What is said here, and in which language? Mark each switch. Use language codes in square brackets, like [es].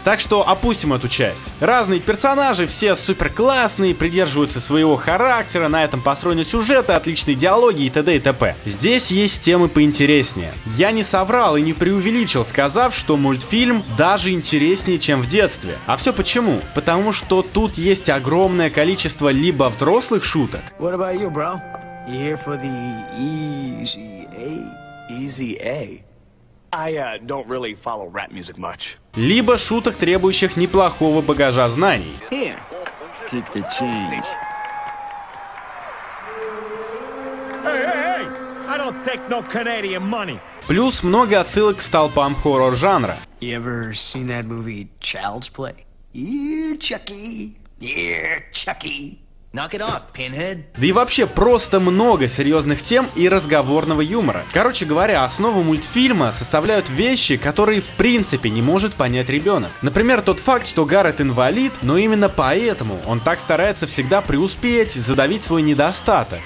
[ru] Так что опустим эту часть. Разные персонажи, все супер классные, придерживаются своего характера, на этом построены сюжеты, отличные диалоги и т.д. и т.п. Здесь есть темы поинтереснее. Я не соврал и не преувеличил, сказав, что мультфильм даже интереснее, чем в детстве. А все почему? Потому что тут есть огромное количество либо взрослых шуток. [en] What about you, bro? You're here for the easy A? Easy A? I don't really follow rap music much. [ru] Либо шуток, требующих неплохого багажа знаний. [en] Here. Keep the change. Hey! I don't take no Canadian money. [ru] Плюс много отсылок к столпам хоррор-жанра. [en] You ever seen that movie Child's Play? Yeah, Chucky. Yeah, Chucky. Knock it off, pinhead. [ru] Да и вообще, просто много серьезных тем и разговорного юмора. Короче говоря, основу мультфильма составляют вещи, которые в принципе не может понять ребенок. Например, тот факт, что Гаррет инвалид, но именно поэтому он так старается всегда преуспеть, задавить свой недостаток.